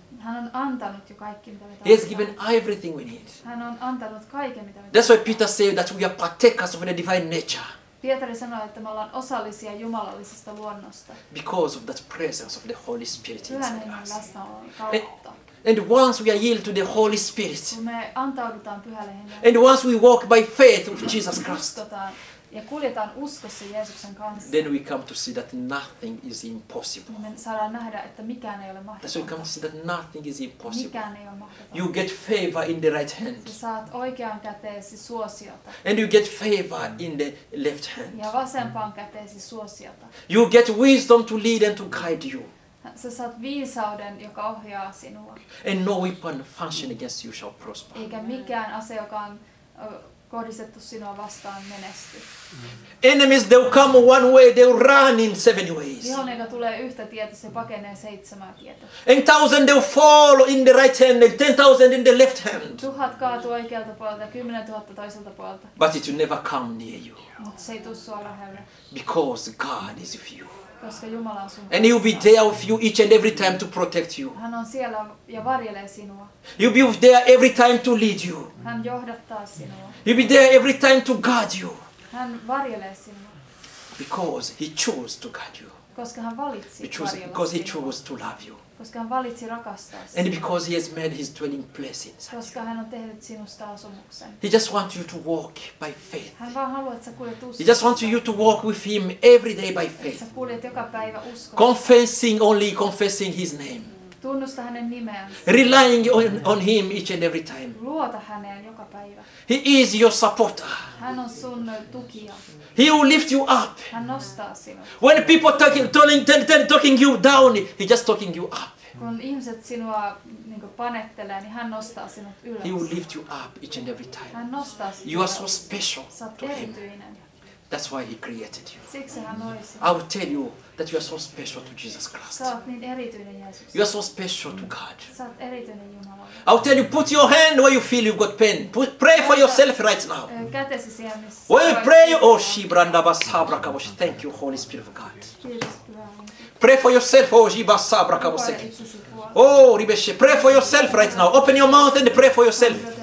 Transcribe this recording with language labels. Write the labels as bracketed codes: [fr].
[fi] Hän on antanut jo kaikki, mitä me tarvitaan. [en] He has given everything we need. [fi] Hän on antanut kaiken, mitä me tarvitaan. [en] That's why Peter said that we are partakers of the divine nature. [fi] Pietari sanoi, että me ollaan osallisia jumalallisesta luonnosta. [en] Because of that presence of the Holy Spirit inside us. [fi] Pyhän Hengen läsnäolo. [en] And once we are yield to the Holy Spirit. [fi] Kun me antaudutaan Pyhälle Hengelle. [en] And once we walk by faith with Jesus Christ. [fi] ja kuljetaan uskossa Jeesuksen kanssa. [en] Then we come to see that nothing is impossible. [fi] Me saadaan nähdä, että mikään ei ole mahdotonta. [en] So we come to see that nothing is impossible. [fi] Mikään ei ole mahdotonta. [en] You get favor in the right hand. [fi] Sä saat oikean käteesi suosiota. [en] And you get favor in the left hand. [fi] Ja vasempaan käteesi suosiota. [en] You get wisdom to lead and to guide you. [fi] Sä saat viisauden, joka ohjaa sinua. [en] And no weapon fashioned against you shall prosper. [fi] Eikä mikään ase, joka on kohdistettu sinua vastaan, menesty. [en] Enemies, they'll come one way, they'll run in seven ways. [fi] Vihollinen tulee yhtä tietä, se pakenee seitsemää tietä. [en] And thousand, they'll fall in the right hand, and 10,000 in the left hand. [fi] 1,000 kaatuu oikealta puolelta, 10,000 toiselta puolelta. [en] But it will never come near you. [fi] Mut se ei tuu sua lähelle. [en] Because God is with you. [fi] Koska Jumala on sun. [en] And he'll be there with you each and every time to protect you. [fi] Hän on siellä ja varjelee sinua. [en] He'll be there every time to lead you. [fi] Hän johdattaa sinua. [en] He'll be there every time to guard you. [fi] Hän varjelee sinua. [en] Because he chose to guard you. [fi] Koska hän valitsi varjella. [en] Because he chose to love you. [fi] Koska hän valitsi rakastaa sinua. [en] And because he has made his dwelling place inside. [fi] Koska hän on tehnyt sinusta asumuksen. [en] He just wants you to walk by faith. [fi] Hän vaan haluaa, että sä kuljet uskossa. [en] He just wants you to walk with him every day by faith. [fi] Sä kuljet joka päivä uskossa. [en] Confessing, only confessing his name. [fi] Tunnusta hänen nimeänsä. [en] Relying on him each and every time. [fi] Luota häneen joka päivä. [en] He is your supporter. [fi] Hän on sun tukija. [en] He will lift you up. [fi] Hän nostaa sinut. [en] When people talking you down, he just talking you up. [fi] Kun ihmiset sinua niinku panettelee, niin hän nostaa sinut ylös. [en] He will lift you up each and every time. [fi] Hän nostaa sinut. [en] You are so special. [fi] Sä oot erityinen. [en] That's why he created you. [fi] Siksi hän loi sinut. [en] I will tell you that you are so special to Jesus Christ. [fi] Sä oot niin erityinen Jeesus. [en] You are so special to God. [fi] Sä oot erityinen Jumala. [en] I will tell you, put your hand where you feel you've got pain. Pray for yourself right now. [fi] Kätesi siellä, missä. [en] When you pray, oh Shibranda Basabra Kaboshi. Thank you, Holy Spirit of God. Pray for yourself, oh Shibasabra Kaboshi. Oh Ribeshe, pray for yourself right now. Open your mouth and pray for yourself.